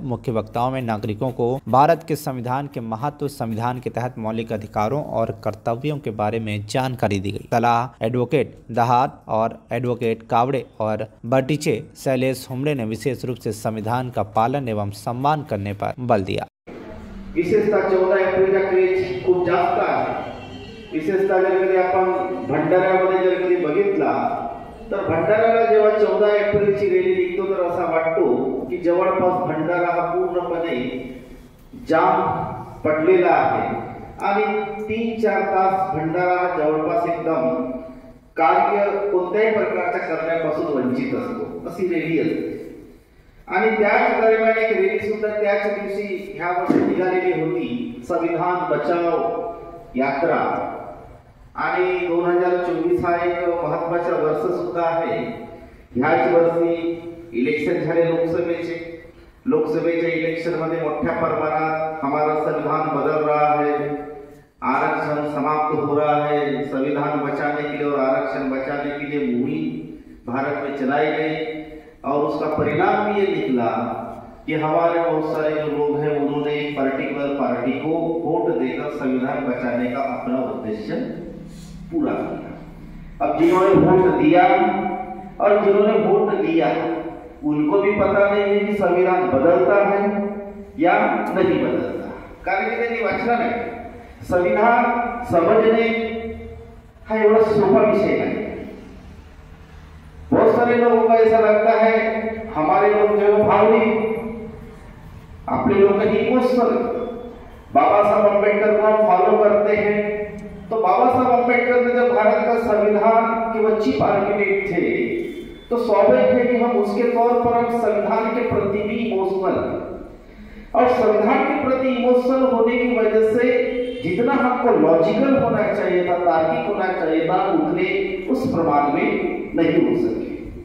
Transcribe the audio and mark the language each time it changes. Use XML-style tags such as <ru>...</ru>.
<hi>मुख्य वक्ताओं में नागरिकों को भारत के संविधान के महत्व, संविधान के तहत मौलिक अधिकारों और कर्तव्यों के बारे में जानकारी दी गई। सलाह एडवोकेट दहात और एडवोकेट कावड़े और बर्टीचे शैलेश होमड़े ने विशेष रूप से संविधान का पालन एवं सम्मान करने पर बल दिया। विशेषता 14 अप्रैल का क्रेज खूब जास्ता है।</hi> <mr>विशेषता जर अपन भंडारा मध्ये जर कधी बघितला तर भंडाराला जेव्हा 14 अप्रैल ची रैली निघतो तर असा वाटतो की जवळपास भंडारा हा पूर्णपणे जाम पडलेला आहे आणि 3-4 तास भंडारा हा जवळपास एकदम कार्य कोणत्याही प्रकारच्या करण्यापासून वंचित असतो अशी रैली असते। आणि त्याच दरम्यान एक रैली सुद्धा त्याच दिवशी ह्या वर्षी निघालेली होती, संविधान बचाव यात्रा। आणि 2024 हा एक महत्वाचा वर्ष सुद्धा आहे। ह्याच वर्षी इलेक्शन झाले लोकसभेचे, लोकसभेच्या इलेक्शन मध्ये मोठ्या प्रमाणात</mr> <hi>हमारा संविधान बदल रहा है, आरक्षण समाप्त हो रहा है, संविधान बचाने के लिए और आरक्षण बचाने के लिए मुहिम भारत में चलाई गई और उसका परिणाम भी ये निकला कि हमारे बहुत सारे जो लोग हैं उन्होंने एक पर्टिकुलर पार्टी को वोट देकर संविधान बचाने का अपना उद्देश्य पूरा किया। अब जिन्होंने वोट दिया और जिन्होंने वोट दिया उनको भी पता नहीं है कि संविधान बदलता है या नहीं बदलता, कारण कि</hi> <mr>त्यांनी वाचलं नाही। संविधान समजणे हा एवढा सोपा विषय नाही।</mr> <hi>बहुत सारे लोगों का ऐसा लगता है हमारे लोग जो है भावनिक, अपने लोग का इमोशनल। बाबा साहब अम्बेडकर को हम फॉलो करते हैं तो बाबा साहब अम्बेडकर ने जब भारत का संविधान के वो चीफ आर्किटेक्ट थे तो स्वाभाविक है कि हम उसके तौर पर हम संविधान के प्रति भी इमोशनल, और संविधान के प्रति इमोशनल होने की वजह से जितना हमको लॉजिकल होना चाहिए था, तार्किक होना चाहिए था, उतने उस प्रमाण में नहीं हो सके।</hi>